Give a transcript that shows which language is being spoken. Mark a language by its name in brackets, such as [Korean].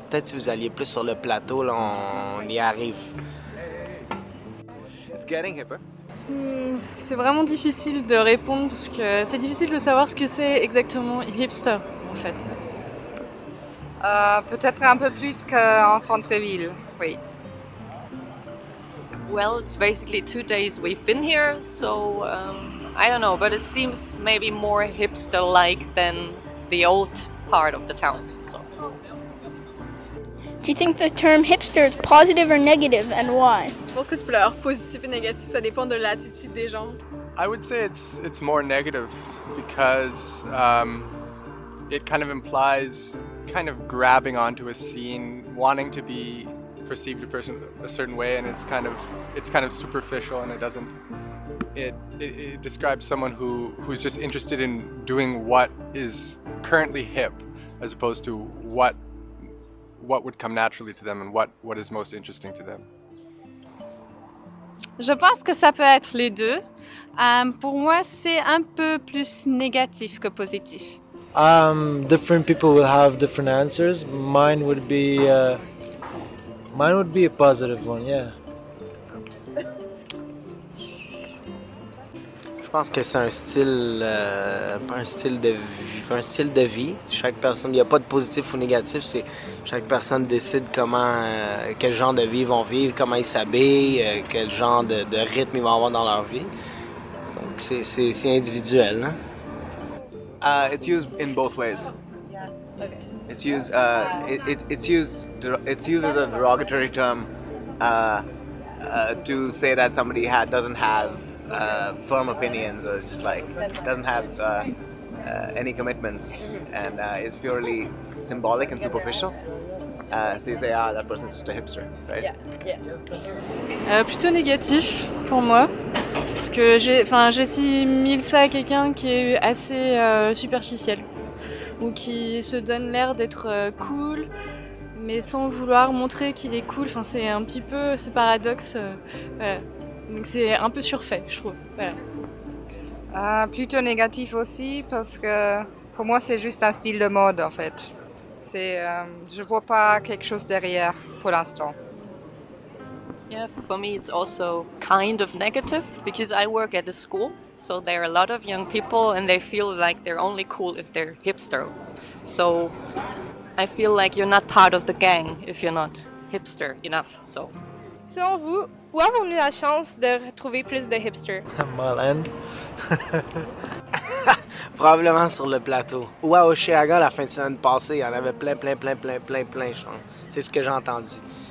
[French] Peut-être si vous alliez plus sur le plateau, là, on y arrive. [English] It's getting hipper. [French] C'est vraiment difficile de répondre parce que c'est difficile de savoir ce que c'est exactement hipster, en fait. Peut-être un peu plus qu'en centre-ville, oui. [English] Well, it's basically 2 days we've been here, so I don't know, but it seems maybe more hipster-like than the old part of the town. So. Do you think the term hipster is positive or negative, and why? [French] Je pense que ça peut être positif ou négatif, ça dépend de l'attitude des gens. [English] I would say it's more negative because it kind of implies kind of grabbing onto a scene, wanting to be perceived a person a certain way, and it's kind of superficial, and it describes someone who's just interested in doing what is currently hip, as opposed to what would come naturally to them and what is most interesting to them. [French] Je pense que ça peut être les deux. Pour moi, c'est un peu plus négatif que positif. [English] Different people will have different answers. Mine would be a positive one, yeah. [French] Je pense que c'est un style de vie. Chaque personne, il n'y a pas de positif ou négatif, c'est chaque personne décide quel genre de vie ils vont vivre, comment ils s'habillent, quel genre de rythme ils vont avoir dans leur vie. Donc c'est individuel. Hein? [English] It's used in both ways. It's used as a derogatory term to say that somebody doesn't have firm opinions or just like doesn't have any commitments and is purely symbolic and superficial. So you say, that person is just a hipster, right? Yeah. [French] Plutôt négatif pour moi, parce que j'ai mis ça à quelqu'un qui est assez superficiel ou qui se donne l'air d'être cool, mais sans vouloir montrer qu'il est cool. Enfin, c'est un petit peu ce paradoxe. Donc c'est un peu surfait, je trouve. Voilà. Plutôt négatif aussi, parce que pour moi c'est juste un style de mode en fait. Je vois pas quelque chose derrière pour l'instant. [English] Yeah, for me it's also kind of negative because I work at a school, so there are a lot of young people and they feel like they're only cool if they're hipster. So I feel like you're not part of the gang if you're not hipster enough. So. [French] Selon vous, où avons-nous la chance de retrouver plus de hipsters? Mile End. Probablement sur le plateau. Ou à Oceaga la fin de semaine passée, il y en avait plein, je pense. C'est ce que j'ai entendu.